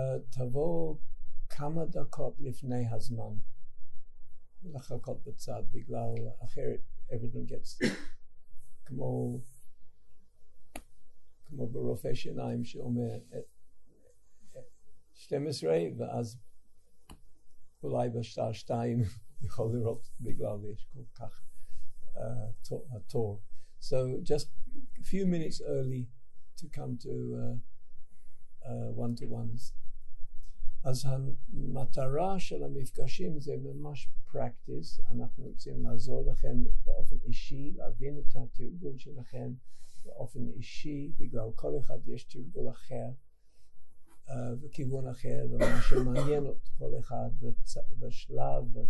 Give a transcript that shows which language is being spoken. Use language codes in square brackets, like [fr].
[he] תבוא כמה דקות לפני הזמן לחכות בצד, בגלל אחרת [en] everything gets [he] כמו ברופא שיניים שאומר 12 ואז אולי בשעה 2 יכול לראות בגלל יש כל כך tour. [en] So just a few minutes early to come to one-to-ones. [he] אז המטרה של המפגשים זה ממש practice. אנחנו רוצים לעזור לכם באופן אישי, להבין את התרגול שלכם באופן אישי, בגלל כל אחד יש תרגול אחר וכיוון אחר, ומה שמעניין את כל אחד בשלב.